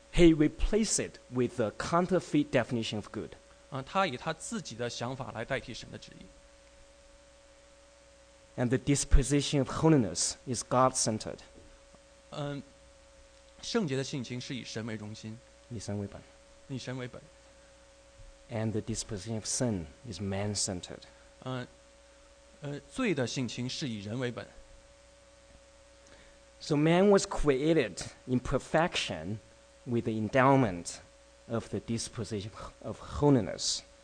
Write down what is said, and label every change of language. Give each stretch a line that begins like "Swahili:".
English: He replaced it with the counterfeit definition of good.
Chinese: 他以他自己的想法来代替神的旨意。
English: And the disposition of holiness is God-centered.
Chinese: 圣洁的性情是以神为中心。以神为本。
English: And the disposition of sin is man-centered.
Chinese: 罪的性情是以人为本。
English: So man was created in perfection with the endowment of the disposition of holiness.